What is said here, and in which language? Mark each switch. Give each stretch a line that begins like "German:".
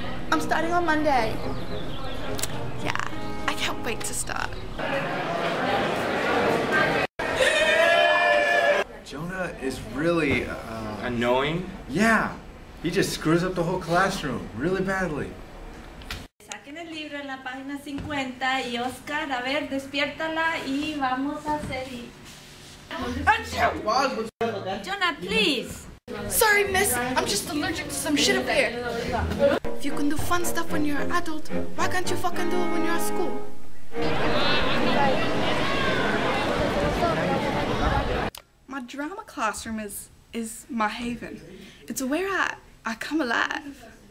English: I'm starting on Monday. Yeah, I can't wait to start. Is really annoying. Yeah, he just screws up the whole classroom really badly.
Spanish: Saquen el libro en la página 50 y Oscar, a ver, despiértala y vamos a hacer.
English: Jonah, please. Sorry, miss. I'm just allergic to some shit up here. If you can do fun stuff when you're an adult, why can't you fucking do it when you're at school? My drama classroom is my haven. It's where I come alive.